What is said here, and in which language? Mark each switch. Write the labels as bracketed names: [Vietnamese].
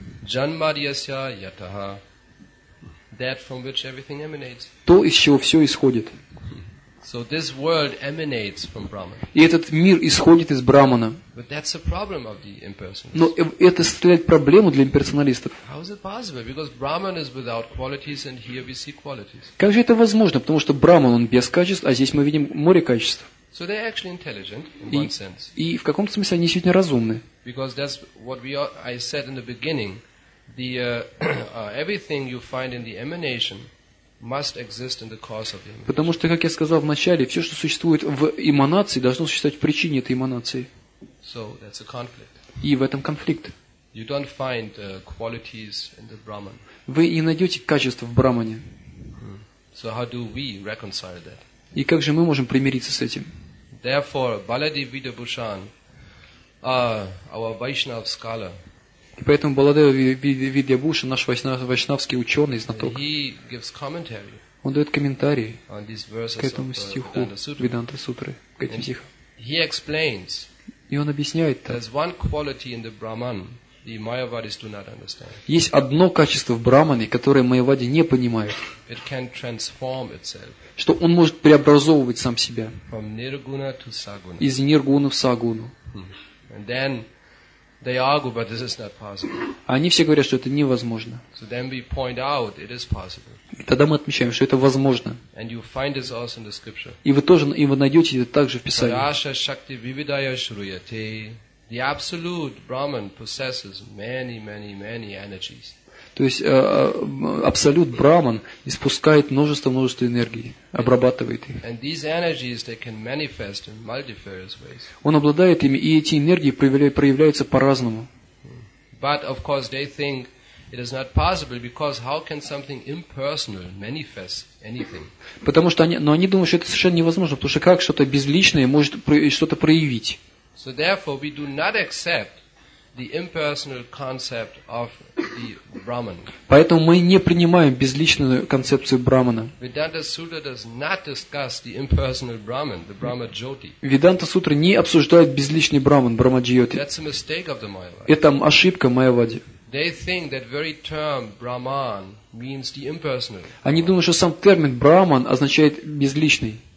[Sanskrit] Janmadyasya yataha, [English] that from which everything emanates. [Russian] То, из чего все исходит. [English] So this world emanates from Brahman. [Russian] И этот мир исходит из Брахмана. [English] But that's a problem of the impersonalists. [Russian] Но это составляет проблему для имперсоналистов. [English] How is it possible? Because Brahman is without qualities, and here we see qualities. [Russian] Как же это возможно? Потому что Брахман он без качеств, а здесь мы видим море качеств. [English] So they're actually intelligent in one sense. [Russian] И в каком-то смысле они действительно разумны. [English] Because that's what I said in the beginning. The everything you find in the emanation. Must exist in the cause of the emanation. [Russian] Потому что, как я сказал в начале, все, что существует в эманации, должно существовать в причине этой эманации. [English] So that's a conflict. [Russian] И в этом конфликт. [English] You don't find qualities in the Brahman. [Russian] Вы не найдете качества в Брахмане. [English] So how do we reconcile that? [Russian] И как же мы можем примириться с этим? [English] Therefore, Baladev Vidyabhushan, our Vaishnav scholar. [Russian] И поэтому Баладева Видьябхушан, наш вайшнавский ученый, знаток, [English] he gives commentary [Russian] он дает комментарии к этому стиху Веданта Сутры, к этим стихам. [English] He explains. [Russian] И он объясняет так. [English] There's one quality in the Brahman the Mayavadis do not understand. [Russian] Есть одно качество в Брахмане, которое Майявади не понимают. [English] It can transform itself. [Russian] Что он может преобразовывать сам себя. [English] From nirguna to saguna. [Russian] Из ниргуны в сагуну. [English] And then they argue, but this is not possible. [Russian] Они все говорят, что это невозможно. [English] So then we point out it is possible. [Russian] Тогда мы отмечаем, что это возможно. [English] And you find this also in the scripture. [Russian] И вы тоже, и вы найдете это также в Писании. [Sanskrit] Параша шакти вивидая шруяте. [English] The absolute Brahman possesses many, many, many energies. [Russian] То есть абсолют Брахман испускает множество энергий, обрабатывает их. [English] And these energies, they can manifest in multifarious ways. [Russian] Он обладает ими, и эти энергии проявляются по-разному. [English] But of course they think it is not possible because how can something impersonal manifest anything? [Russian] Потому что они думают, что это совершенно невозможно, потому что как что-то безличное может что-то проявить? [English] So therefore we do not accept the impersonal concept of the Brahman. [Russian] Поэтому мы не принимаем безличную концепцию Брахмана. [English] Vedanta Sutra does not discuss the impersonal Brahman, the Brahma Jyoti. [Russian] Vedanta Sutra не обсуждает безличный Брахман, Брахма Джьоти. [English] That's a mistake of the Mayavadi. [Russian] Это ошибка Майявади. [English] They think that very term Brahman means the impersonal. [Russian] Они думают, что сам термин Брахман означает безличный.